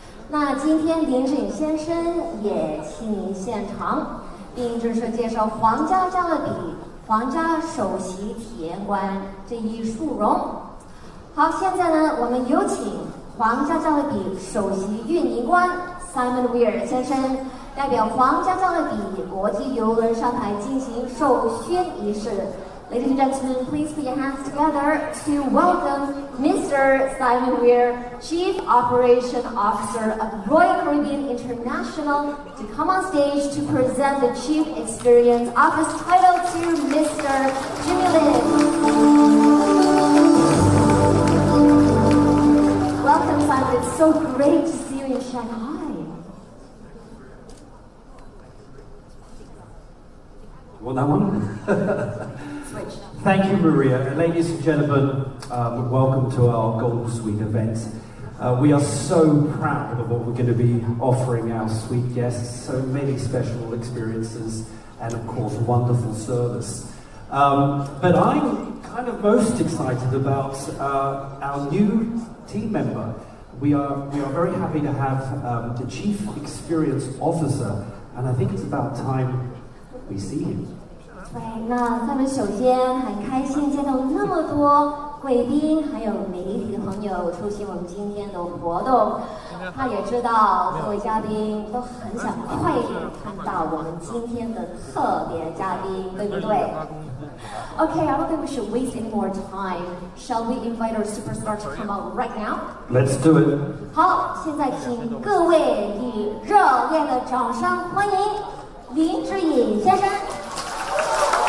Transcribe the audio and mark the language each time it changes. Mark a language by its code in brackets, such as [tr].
[zh] 那今天林志颖先生也亲临现场，并正式介绍皇家加勒比皇家首席体验官这一殊荣。好，现在呢，我们有请皇家加勒比首席运营官 Simon Weir 先生代表皇家加勒比国际邮轮上台进行授勋仪式。 [en] Ladies and gentlemen, please put your hands together to welcome Mr. Simon Weir, Chief Operation Officer of Royal Caribbean International, to come on stage to present the Chief Experience Office title to Mr. Jimmy Lin. Welcome, Simon. It's so great to see you in Shanghai. You want that one? Thank you, Maria. Ladies and gentlemen, welcome to our Golden Suite event. We are so proud of what we're going to be offering our suite guests. So many special experiences and, of course, wonderful service. But I'm kind of most excited about our new team member. We are very happy to have the Chief Experience Officer, and I think it's about time we see him. [zh] 对，那咱们首先很开心见到那么多贵宾还有媒体朋友出席我们今天的活动，他也知道各位嘉宾都很想快点看到我们今天的特别嘉宾，对不对？ [en] OK, I don't think we should waste any more time. Shall we invite our superstar to come out right now? Let's do it. [zh] 好，现在请各位以热烈的掌声欢迎林志颖先生。